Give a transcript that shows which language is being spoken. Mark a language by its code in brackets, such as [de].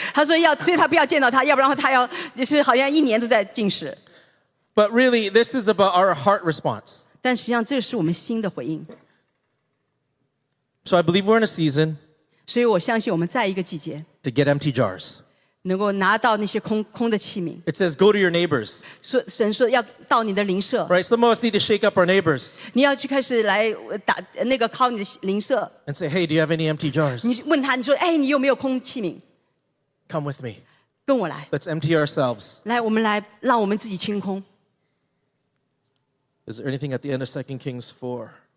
[zh] 她说要，所以她不要见到他，要不然她要就是好像一年都在禁食。 [en] But really, this is about our heart response. [zh] 但实际上这是我们心的回应。 [en] So I believe we're in a season. [zh] 所以我相信我们在一个季节。 [en] To get empty jars. [zh] 能够拿到那些空的器皿。 [en] It says, "Go to your neighbors." [zh] 说神说要到你的邻舍。 [en] Right, some of us need to shake up our neighbors. [zh] 你要去开始来打那个call你的邻舍。 [en] And say, "Hey, do you have any empty jars?" [zh] 你问他，你说，哎，你有没有空器皿 [en] ？Come with me. [zh] 跟我来。 [en] Let's empty ourselves. [zh] 来，我们来让我们自己清空。 [en] Is there anything at the end of 2 Kings 4?